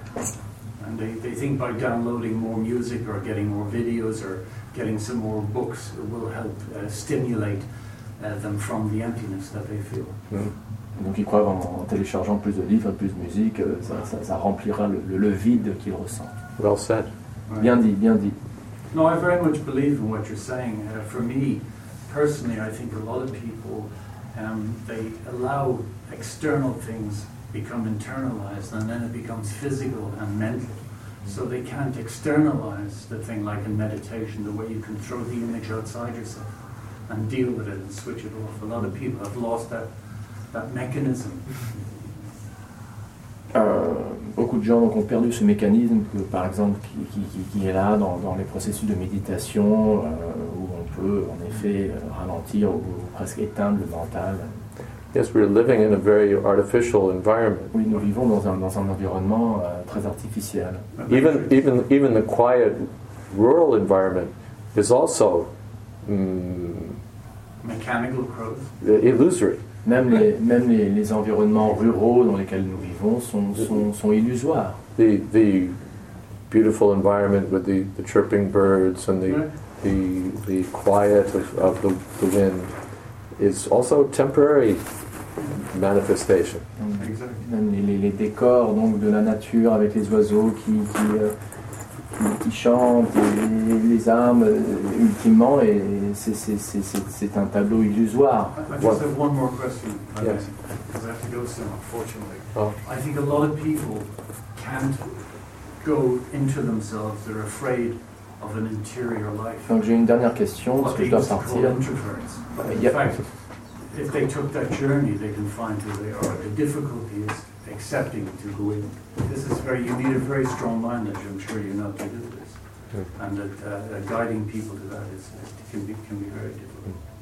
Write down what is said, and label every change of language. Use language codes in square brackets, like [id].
[en] And they think by downloading more music or getting more videos or getting some more books will help stimulate them from the emptiness that they feel. Mm. [fr] Donc ils croient en téléchargeant plus de livres, plus de musique, ça remplira le vide qu'ils ressentent. [en] Well said. [fr] Bien dit, bien dit. [en] No, I very much believe in what you're saying. For me, personally, I think a lot of people, they allow external things become internalized, and then it becomes physical and mental. So they can't externalize the thing, like in meditation, the way you can throw the image outside yourself and deal with it and switch it off. A lot of people have lost that mechanism. [fr] Beaucoup de gens donc, ont perdu ce mécanisme, que, par exemple, qui est là dans les processus de méditation, où on peut en effet ralentir ou presque éteindre le mental. [en] Yes, we're living in a very artificial environment. [fr] Oui, nous vivons dans un environnement très artificiel. [en] Even the quiet rural environment is also mechanical growth. Illusory. [fr] Même les environnements ruraux dans lesquels nous vivons sont illusoires. [en] The beautiful environment with the chirping birds and the quiet of the wind is also temporary manifestation. [fr] Les décors donc de la nature avec les oiseaux qui chantent et les arbres ultimement et c'est un tableau illusoire. [en] I just have one more question. Yes. Because I have to go soon, unfortunately. Oh. I think a lot of people can't go into themselves. They're afraid of an interior life. [fr] Donc j'ai une dernière question parce que je dois partir. [en] If they took that journey, they can find who they are. The difficulty is accepting to go in. This is very, you need a very strong mind, as I'm sure you know, to do this. Mm. And that guiding people to that can be very difficult.